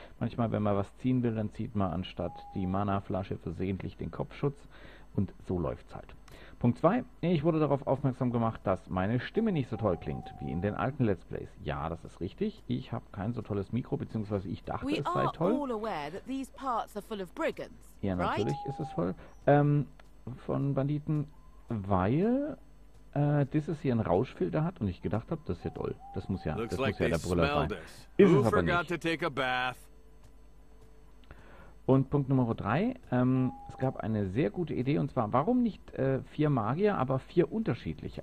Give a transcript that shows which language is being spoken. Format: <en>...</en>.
<de>Manchmal, wenn man was ziehen will, dann zieht man anstatt die Mana-Flasche versehentlich den Kopfschutz. Und so läuft's halt. Punkt 2. Ich wurde darauf aufmerksam gemacht, dass meine Stimme nicht so toll klingt, wie in den alten Let's Plays. Ja, das ist richtig. Ich habe kein so tolles Mikro, beziehungsweise ich dachte, es sei toll.</de> <en>All aware that these parts are full of brigands,</en> <de>ja, natürlich</de> <en>right?</en> <de>Ist es voll. Von Banditen, weil... das ist hier ein Rauschfilter hat und ich gedacht habe, das ist ja toll. Das muss ja, das muss ja der Brüller sein. Ist es aber nicht. Und Punkt Nummer 3, es gab eine sehr gute Idee, und zwar, warum nicht 4 Magier, aber 4 unterschiedliche?</de>